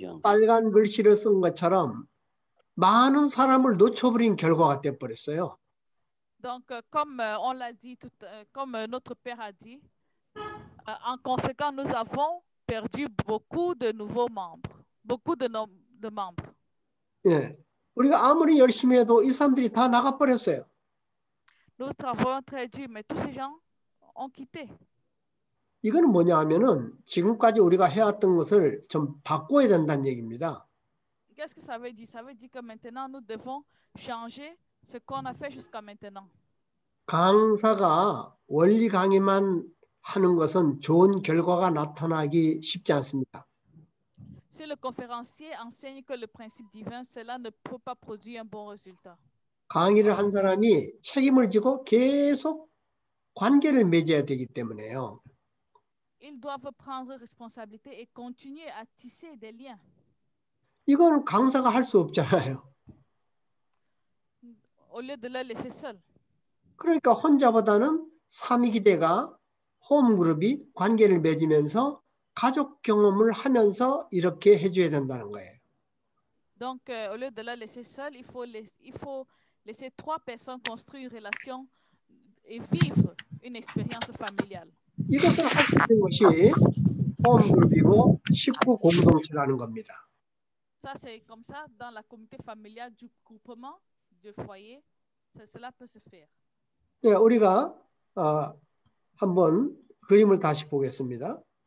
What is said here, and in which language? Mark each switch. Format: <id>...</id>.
<ko>빨간 글씨를 쓴 것처럼 많은 사람을 놓쳐버린 결과가 되어버렸어요.</ko> <fr>Donc, comme on l'a dit, comme notre père a dit, en conséquence, nous avons perdu beaucoup de nouveaux membres, beaucoup de membres. Yeah.</fr> <ko>우리가 아무리 열심히 해도 이 사람들이 다 나가버렸어요.</ko> <fr>Nous travaillons très dur, mais tous ces gens ont quitté.</fr> <ko>이거는 뭐냐 하면은 지금까지 우리가 해왔던 것을 좀 바꿔야 된다는 얘기입니다.</ko> <fr>Qu'est-ce que ça veut dire? Ça veut dire que maintenant nous devons changer. Ce qu'on a fait jusqu'à maintenant.</fr> <ko>강사가 원리 강의만 하는 것은 좋은 결과가 나타나기 쉽지 않습니다.</ko> <fr>Si le conférencier enseigne que le principe divin, cela ne peut pas produire un bon résultat.</fr> <ko>강의를 한 사람이 책임을 지고 계속 관계를 맺어야 되기 때문에요.</ko> <fr>Ils doivent prendre responsabilité et continuer à tisser des liens.</fr> <ko>이건 강사가 할 수 없잖아요.</ko> <fr>Au lieu de le laisser seul.</fr> <ko>그러니까 혼자보다는 3위기대가 홈그룹이 관계를 맺으면서 가족 경험을 하면서 이렇게 해줘야 된다는 거예요.</ko> <fr>Donc au lieu de le laisser seul, il faut laisser trois personnes construire une relation et vivre une expérience familiale.</fr> <ko>이것을 할 수 있는 것이 홈그룹이고 식구 공동체라는 겁니다.</ko> <fr>Ça c'est comme ça dans la communauté familiale du groupement. De foyer, cela peut se faire.</fr> <ko>네, 우리가 한번 그림을 다시 보겠습니다.</ko>